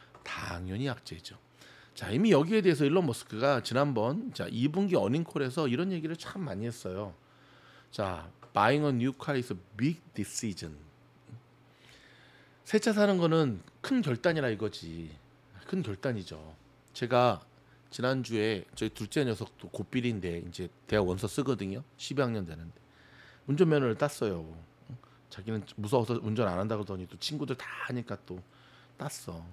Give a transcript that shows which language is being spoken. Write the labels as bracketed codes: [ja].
[ko] 당연히 악재죠. 자, 이미 여기에 대해서 일론 머스크가 지난번 자 2분기 어닝콜에서 이런 얘기를 참 많이 했어요. [en] 자, buying a new car is a big decision. [ko] 새 차 사는 거는 큰 결단이라 이거지. 큰 결단이죠. 제가 지난주에 저희 둘째 녀석도 고삐리인데 이제 대학 원서 쓰거든요. 12학년 되는데. 운전면허를 땄어요. 자기는 무서워서 운전 안 한다고 하더니 또 친구들 다 하니까 또 땄어.